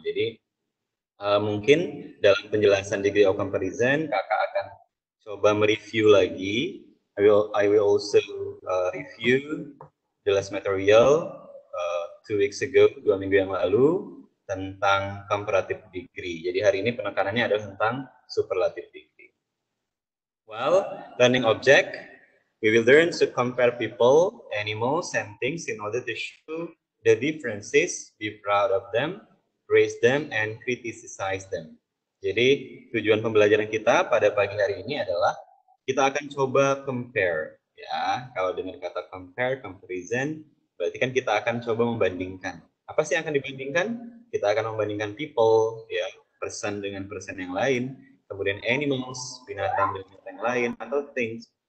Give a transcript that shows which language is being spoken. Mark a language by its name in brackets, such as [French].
[Indonesian] Jadi mungkin dalam penjelasan degree of comparison, kakak akan coba mereview lagi. [English] I will also review the last material 2 weeks ago, [Indonesian] 2 minggu yang lalu tentang [English] comparative degree. [Indonesian] Jadi hari ini penekanannya adalah tentang superlative degree. [English] Well, learning object. We will learn to compare people, animals, and things in order to show the differences, be proud of them, praise them, and criticize them. [Indonesian] Jadi, tujuan pembelajaran kita pada pagi hari ini adalah kita akan coba compare. Ya, kalau dengar kata compare, comparison, berarti kan kita akan coba membandingkan. Apa sih yang akan dibandingkan? Kita akan membandingkan people, ya, person dengan person yang lain, kemudian animals, binatang dengan binatang yang lain, atau things.